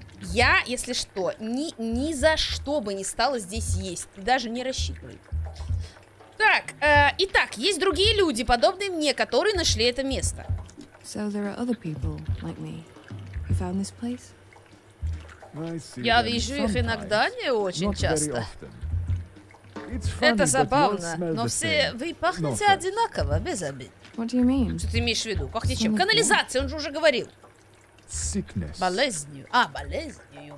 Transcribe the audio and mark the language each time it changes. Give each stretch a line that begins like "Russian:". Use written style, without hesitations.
Russian: Я, если что, ни за что бы не стала здесь есть. Даже не рассчитывай. Так, итак, есть другие люди, подобные мне, которые нашли это место.
English: So there are other people like me who found this place.
Russian: Я вижу их иногда, не очень часто.
English: Funny,
Russian: это забавно, но все вы пахнете одинаково, без обид.
English: What do you mean?
Russian: Что ты имеешь в виду? Пахнет чем? Канализация, он же уже говорил.
English: Sickness.
Russian: Болезнью. А, болезнью,